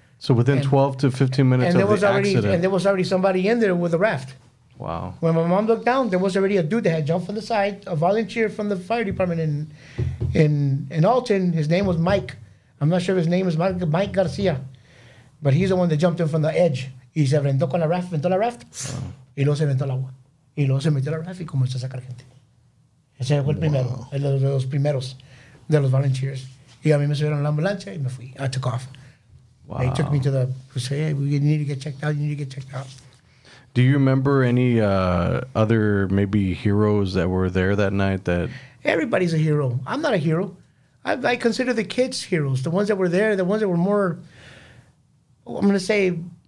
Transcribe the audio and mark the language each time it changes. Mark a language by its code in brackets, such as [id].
[en] So within 12 to 15 minutes of the accident. And there was already somebody in there with a raft. Wow. When my mom looked down, there was already a dude that had jumped from the side, a volunteer from the fire department in Alton. His name was Mike. I'm not sure if his name is Mike Garcia. But he's the one that jumped in from the edge. [es] Y se aventó con la raft, aventó la raft. Y luego se aventó el agua. Y luego se metió la raft y comenzó a sacar gente. Ese fue el primero, el de los primeros de los volunteers. Y a mí me subieron a la ambulancia y me fui. [en] I took off. Wow. They took me to the, say, "Hey, we need to get checked out. You need to get checked out." Do you remember any other maybe heroes that were there that night? That everybody's a hero. I'm not a hero. I consider the kids heroes. The ones that were there, the ones that were more, I'm going to say,